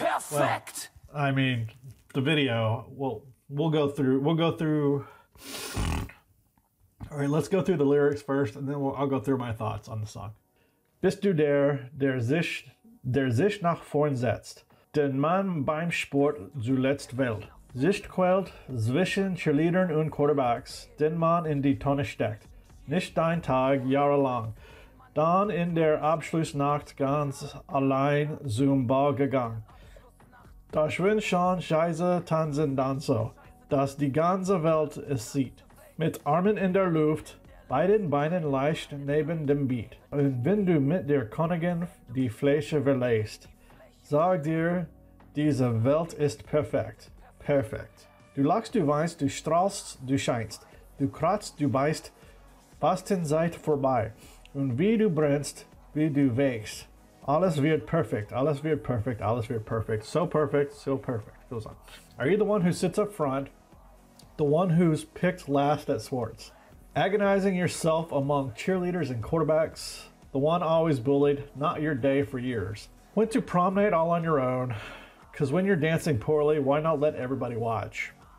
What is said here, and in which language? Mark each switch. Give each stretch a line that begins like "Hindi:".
English: Well, I mean, the video, we'll go through. All right, let's go through the lyrics first, and then I'll go through my thoughts on the song.
German: Bist du der sich nach vorn setzt, den man beim Sport zuletzt wählt, sich quält zwischen Cheerleadern und Quarterbacks, den man in die Tonne steckt, nicht dein Tag jahrelang, dann in der Abschlussnacht ganz allein zum Ball gegangen. Das wenn schon scheiße tanzen dann so, dass die ganze Welt es sieht. Mit Armen in der Luft, beiden Beinen leicht neben dem Beat. Und wenn du mit der Königin die Fläche verlässt, sag dir, diese Welt ist perfekt. Perfekt. Du lachst, du weinst, du strahlst, du scheinst. Du kratzt, du beißt, fasten seid vorbei. Und wie du brennst, wie du wächst. Alles wird perfekt, alles wird perfekt, alles wird perfekt.
English: So perfect, so perfect. Goes on. Are you the one who sits up front? The one who's picked last at sports? Agonizing yourself among cheerleaders and quarterbacks? The one always bullied? Not your day for years. Went to prom night all on your own? Because when you're dancing poorly, why not let everybody watch?